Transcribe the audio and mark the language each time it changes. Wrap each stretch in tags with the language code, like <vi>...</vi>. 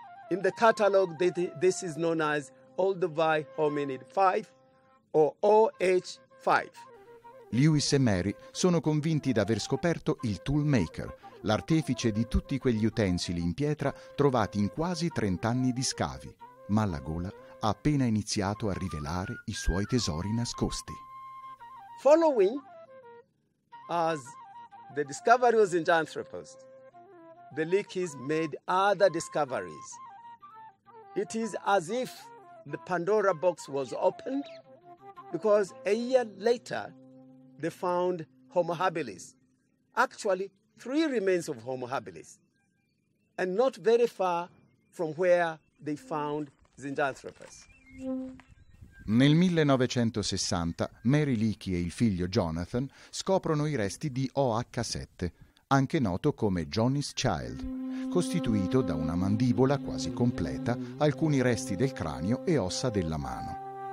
<en>In the catalog, this is known as Olduvai hominid 5 or OH5.</en> <it>Lewis e Mary sono convinti d'aver scoperto il toolmaker, l'artefice di tutti quegli utensili in pietra trovati in quasi 30 anni di scavi, ma la gola ha appena iniziato a rivelare i suoi tesori nascosti.</it> <en>Following as the discovery was in Anthropos, the Leakeys made other discoveries. It is as if the Pandora box was opened, because a year later they found Homo habilis. Actually, three remains of Homo habilis, and not very far from where they found Zinganthropus.</en> <it>Nel 1960, Mary Leakey e il figlio Jonathan scoprono i resti di OH7, anche noto come Johnny's Child, costituito da una mandibola quasi completa, alcuni resti del cranio e ossa della mano.</it>